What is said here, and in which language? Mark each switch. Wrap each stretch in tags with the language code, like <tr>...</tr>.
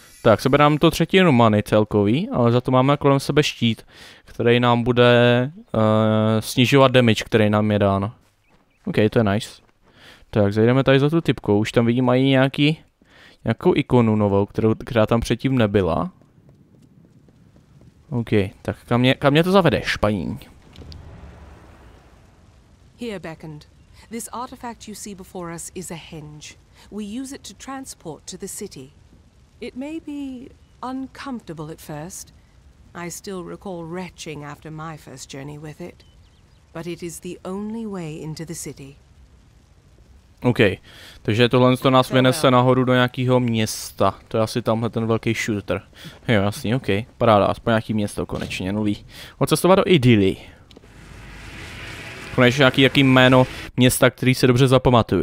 <cs>Tak, seberám to třetinu many celkový, ale za to máme kolem sebe štít, který nám bude snižovat damage, který nám je dán. OK, to je nice. Tak, zajdeme tady za tu typkou. Už tam vidím, mají nějakou ikonu novou, která tam předtím nebyla. OK, tak kam mě to zavedeš, paní?</cs> <en>Here beckoned. This artifact you see before us is a hinge. We use it to transport to the city. It may be uncomfortable at first. I still recall retching after my first journey with it. But it is the only way into the city.</en> <cs>OK, takže tohle to nás vynese nahoru do nějakého města. To je asi tamhle ten velký shooter. Jo, jasný, OK. Paráda, aspoň nějaký město konečně, nulý. Odcestovat do Idyly. Konečně nějaký jméno města, který se dobře zapamatuju.</cs>